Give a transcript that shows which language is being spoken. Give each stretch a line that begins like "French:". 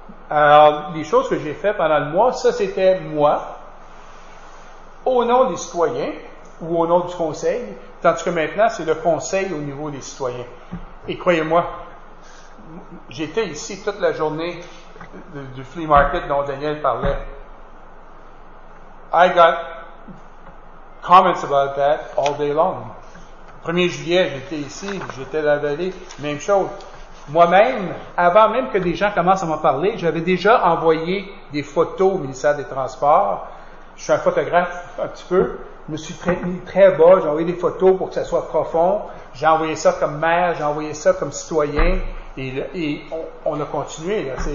French: Alors, les choses que j'ai faites pendant le mois, ça, c'était moi, au nom des citoyens, ou au nom du conseil, tandis que maintenant, c'est le conseil au niveau des citoyens. Et croyez-moi, j'étais ici toute la journée du flea market dont Daniel parlait.
English: I got comments about that all day long.
French: 1er juillet, j'étais ici, j'étais dans la vallée, même chose. Moi-même, avant même que des gens commencent à m'en parler, j'avais déjà envoyé des photos au ministère des Transports. Je suis un photographe un petit peu, je me suis mis très bas, j'ai envoyé des photos pour que ça soit profond, j'ai envoyé ça comme maire, j'ai envoyé ça comme citoyen, et on a continué, là.